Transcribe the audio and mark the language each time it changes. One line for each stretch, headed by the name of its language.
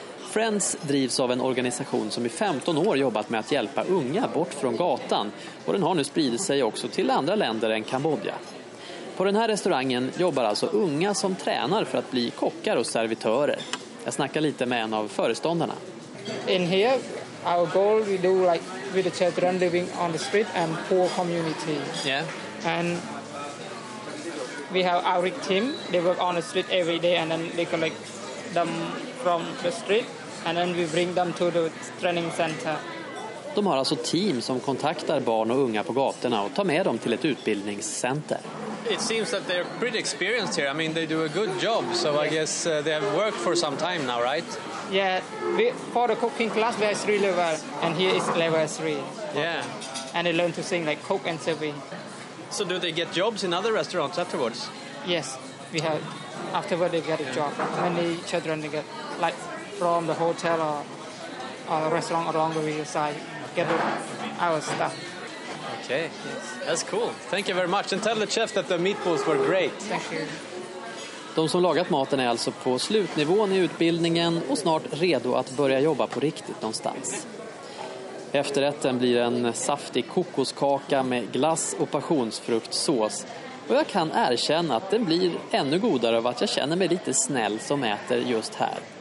Swedish: Friends drivs av en organisation som i 15 år jobbat med att hjälpa unga bort från gatan, och den har nu spridit sig också till andra länder än Kambodja. På den här restaurangen jobbar alltså unga som tränar för att bli kockar och servitörer. Jag snackar lite med en av föreståndarna.
English: In here, our goal we do like with the children living on the street and poor community. Yeah. And we have our team. They work on the street every day and then they collect them from the street and then we bring them to the training center. De har alltså team som kontaktar barn och unga på gatorna och tar med dem till ett utbildningscenter. It seems that they're pretty experienced here. I mean, they do a good job, so I guess they have worked for some time now, right? Yeah, for the cooking class, we have 3 levels, and here is level 3. Yeah. And they learn to sing, like, cook and serving. So do they get jobs in other restaurants afterwards? Yes, we have. Afterward, they get a job. Many children, they get, like, from the hotel or restaurant along the side, get our stuff. Okay, that's cool. Thank you very much. And tell the chef that the meatballs were great. Thank you.
Swedish: De som lagat maten är alltså på slutnivån i utbildningen och snart redo att börja jobba på riktigt någonstans. Efterrätten blir en saftig kokoskaka med glass och passionsfruktsås. Och jag kan erkänna att den blir ännu godare av att jag känner mig lite snäll som äter just här.